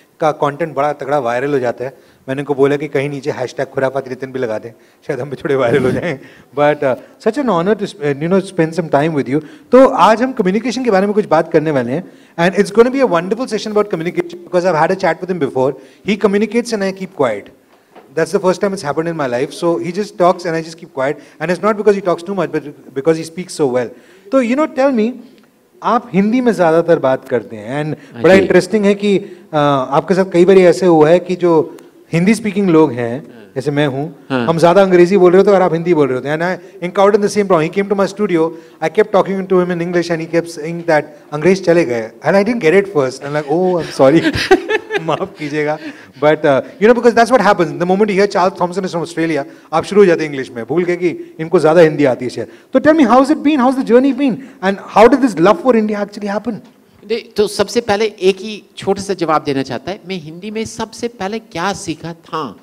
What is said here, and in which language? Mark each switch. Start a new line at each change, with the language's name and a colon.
Hindi: का कंटेंट बड़ा तगड़ा वायरल हो जाता है. मैंने इनको बोला कि कहीं नीचे हैशटैग खुराफाती नितिन भी लगा दें, शायद हम भी थोड़े वायरल हो जाएं.
English: But such an honour to you know spend some time with you.
Hindi: तो आज हम कम्युनिकेशन के बारे में कुछ बात करने वाले हैं,
English: And it's gonna be a wonderful session about communication, because I had a chat with him before. He communicates and I keep quiet. That's the first time it's happened in my life. So he just talks and I just keep quiet. And it's not because he talks too much, but because he speaks so well. So you know, tell me,
Hindi: आप हिंदी में ज़्यादातर बात करते हैं. And बड़ा interesting है कि आपके साथ कई बार ऐसे हुआ है कि जो हिंदी speaking लोग हैं, जैसे मैं हूँ, हम ज़्यादा अंग्रेजी बोल रहे होते हैं और आप हिंदी बोल रहे होते हैं.
English: And I encountered the same problem. He came to my studio. I kept talking to him in English and he kept saying that
Hindi: अंग्रेज चले गए.
English: And I didn't get it first. I'm like, oh, I'm sorry.
Hindi: माफ कीजिएगा.
English: but you know because that's what happens the moment you hear Charles Thomson is from Australia,
Hindi: आप शुरू हो जाते हैं इंग्लिश में, भूल गए कि इनको ज्यादा हिंदी आती है.
English: तो tell me, how is it been, how is the journey been, and how did this love for India actually happen?
Hindi: तो सबसे पहले एक ही छोटा सा जवाब देना चाहता है, मैं हिंदी में सबसे पहले क्या सीखा था